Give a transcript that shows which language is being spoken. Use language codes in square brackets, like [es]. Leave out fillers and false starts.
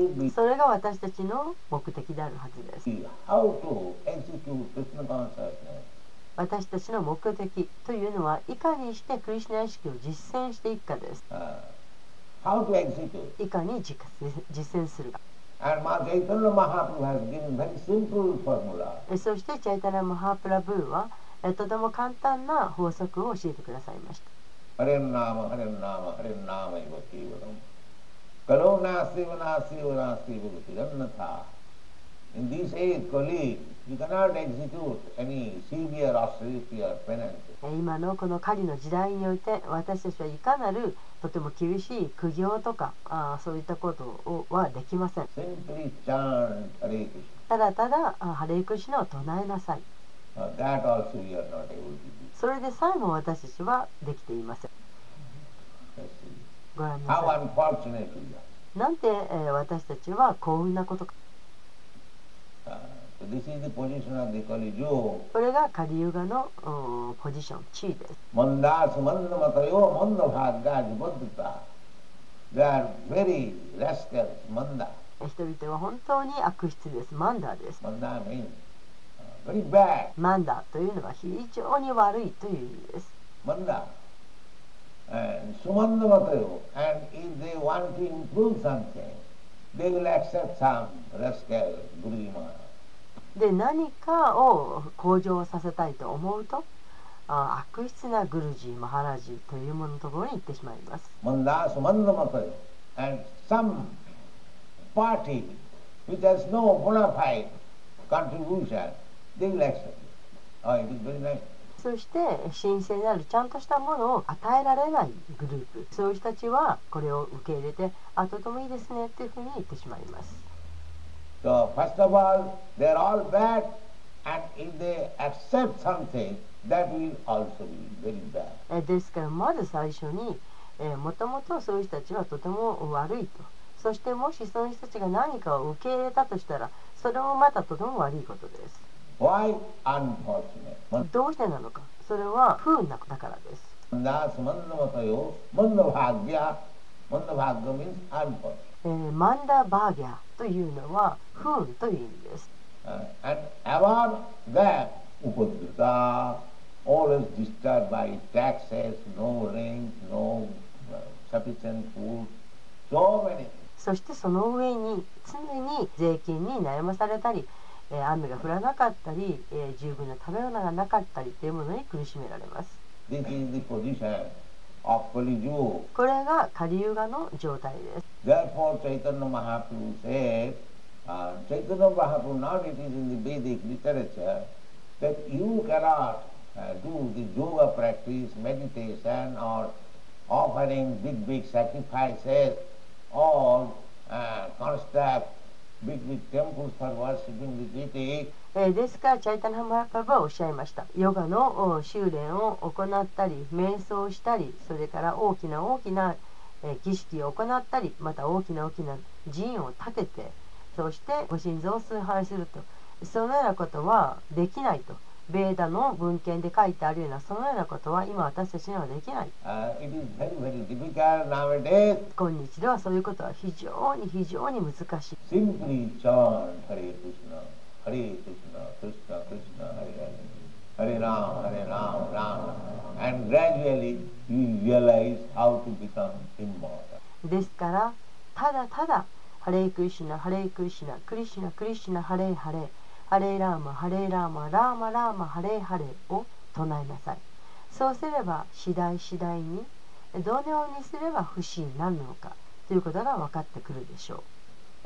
[ja] それが私たちの目的であるはずです。 [en] How to execute Krishna consciousness? [ja] 私たちの目的というのは、いかにしてクリシュナ意識を実践していくかです。 [en] How to execute? [ja] いかに実践するか。 [en] And Chaitanya Mahaprabhu has given very simple formula. [ja] そしてチャイタナ・マハプラブーはとても簡単な法則を教えてくださいました。 [sa] ハレンナーマハレンナーマハレンナーマイバキーバランカロナーシーバナーシーバナーシーバキーバランナタ。 [en] In this age, Kali,You cannot execute any severe austerity or penance. [ja] 今のこの狩りの時代において私たちはいかなるとても厳しい苦行とか、そういったことをはできません。 [en] Simply chant Hare Krishna. [ja] ただただハレクシナを唱えなさい。 [en] That also we are not able to do. [ja] それでさえも私たちはできていません。ご覧なさい。 [en] How unfortunate we are. [ja] なんて、私たちは幸運なことか。 [en] This is the position of the Kali Yuga. [ja] これがカリユガのポジション、地位です。 [sa] マンダスマンダマタヨマンダファッガジボッタ。 [en] They are very rascals, マンダ。 [ja] 人々は本当に悪質です。マンダです。 [en] マンダ means very bad. [ja] マンダというのは非常に悪いという意味です。 [sa] マンダ。And スマンダマタヨ。 [en] And if they want to improve something, they will accept some rascal, Gurima. [ja] で、何かを向上させたいと思うと、悪質なグルジー、マハラジーというもののところに行ってしまいます。 [sa] マンダース、マンダマトヨ、 [en] and some party which has no bona fide contribution, they will accept it. Oh, it is very nice. [ja] そして神聖なるちゃんとしたものを与えられないグループ、そういう人たちはこれを受け入れて、あ、とてもいいですねというふうに言ってしまいます。 [en] So first of all, they are all bad, and if they accept something, that will also be very bad. [ja] ですからまず最初に、もともとそういう人たちはとても悪いと。そしてもしその人たちが何かを受け入れたとしたら、それもまたとても悪いことです。 [en] Why unfortunate? [ja] どうしてなのか。それは不運なことだからです。 [sa] マンダスマンダマトヨマンダバーギャマンダバーギャ [en] means unfortunate. [ja] マンダバーギャというのは不運という意味です。 [en] And above that, Upadrita, always disturbed by taxes, no rain, no sufficient food, so many. [ja] そしてその上に常に税金に悩まされたり、雨が降らなかったり、十分な食べ物がなかったりというものに苦しめられます。 [en] This is the position of Kali Yuga. [ja] これがカリユガの状態です。 [en] Therefore, Chaitanya Mahaprabhu said, Chaitanya Mahaprabhu, now it is in the Vedic literature, that you cannot do the yoga practice, meditation, or offering big, big sacrifices, or construct big, big temples for worshipping the deity. [ja] ですから、チャイタナ・マハプラブはおっしゃいました。ヨガの修練を行ったり、瞑想したり、それから大きな大きな儀式を行ったり、また大きな大きな寺院を建てて、そしてご神像を崇拝すると。そのようなことはできないと。ベーダの文献で書いてあるような、そのようなことは今私たちにはできない。今日ではそういうことは非常に非常に難しい。 [en] Simply chant Hare Krishna. Hare Krishna, Krishna Krishna, Hare Hare, Hare Rama, Hare Rama, Rama, and gradually you realize how to become immortal. [ja] ですから、ただただ、ハレクリシュナ、ハレクリシュナ、クリシュナ、クリシュナ、ハレハレ、ハレラーマ、ハレラーマ、ラーマラーマ、ハレハレを唱えなさい。そうすれば、次第次第に、どのようにすれば不死になるのかということが分かってくるでしょう。